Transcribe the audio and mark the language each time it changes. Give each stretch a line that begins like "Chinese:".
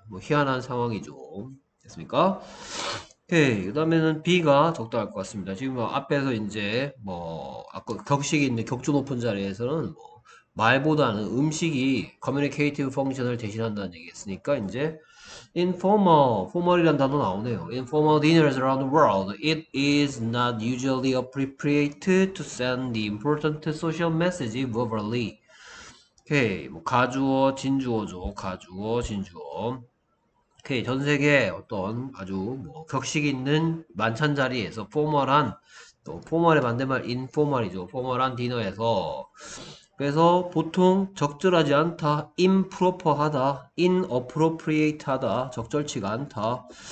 Korean: 뭐, 희한한 상황이죠. 됐습니까? 오케이. 그다음에는 B가 적당할 것 같습니다. 지금 앞에서 이제 뭐 아까 격식 있는 격조 높은 자리에서는 뭐 말보다는 음식이 커뮤니케이티브 펑션을 대신한다는 얘기 했으니까 이제 포멀이란 단어 나오네요.
English: Informal dinners around the world. It is not usually appropriate to send the important social message verbally.
Korean: 오케이. 뭐 가주어, 진주어죠. 가주어, 진주어. 오케이, 전 세계 어떤 아주 뭐 격식 있는 만찬 자리에서 포멀한 또 포멀의 반대말 인포멀이죠. 포멀한 디너에서 그래서 보통 적절하지 않다, 임프로퍼하다, 인어프로프리에이트하다, 적절치가 않다.